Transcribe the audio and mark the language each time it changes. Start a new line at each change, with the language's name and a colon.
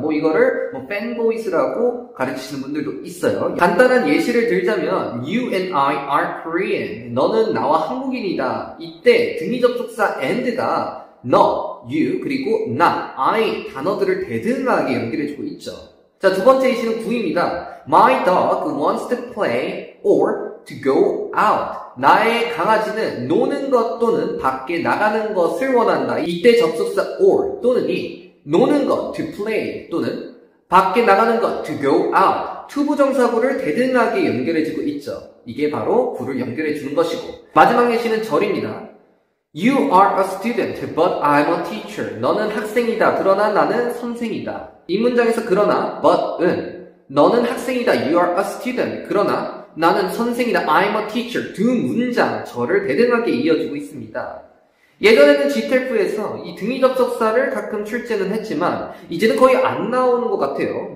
Korean: 뭐 이거를 뭐 fanboys라고 가르치시는 분들도 있어요. 간단한 예시를 들자면
English: you and I are Korean,
Korean: 너는 나와 한국인이다. 이때 등위 접속사 and가 너, you, 그리고 나, I 단어들을 대등하게 연결해주고 있죠. 자, 두 번째 예시는 구입니다.
English: My dog wants to play or to go out.
Korean: 나의 강아지는 노는 것 또는 밖에 나가는 것을 원한다. 이때 접속사 or 또는 이, 노는 것
English: to play
Korean: 또는 밖에 나가는 것
English: to go out.
Korean: 투부정사구를 대등하게 연결해주고 있죠. 이게 바로 구를 연결해주는 것이고. 마지막 예시는 절입니다.
English: You are a student, but I'm a teacher.
Korean: 너는 학생이다. 그러나 나는 선생이다. 이 문장에서 그러나, but은 너는 학생이다.
English: You are a student.
Korean: 그러나 나는 선생이다.
English: I'm a teacher.
Korean: 두 문장 절을 대등하게 이어주고 있습니다. 예전에는 GTEF에서 이 등위 접속사를 가끔 출제는 했지만 이제는 거의 안 나오는 것 같아요.